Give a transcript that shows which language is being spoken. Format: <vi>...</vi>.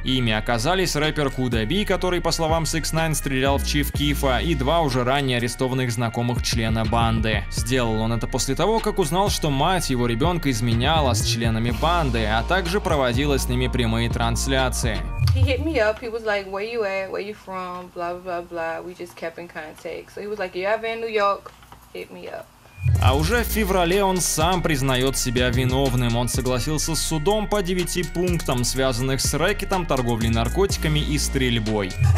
<ru>Ими оказались рэпер Куда Би, который, по словам 6ix9ine, стрелял в Чиф Кифа, и 2 уже ранее арестованных знакомых члена банды. Сделал он это после того, как узнал, что мать его ребенка изменяла с членами банды, а также проводила с ними прямые трансляции.</ru> <en>He hit me up, he was like, where you at, where you from, blah, blah, blah, blah. We just kept in contact. So he was like, you ever in New York, hit me up.</en> <ru>А уже в феврале он сам признает себя виновным. Он согласился с судом по 9 пунктам, связанных с рэкетом, торговлей наркотиками и стрельбой.</ru>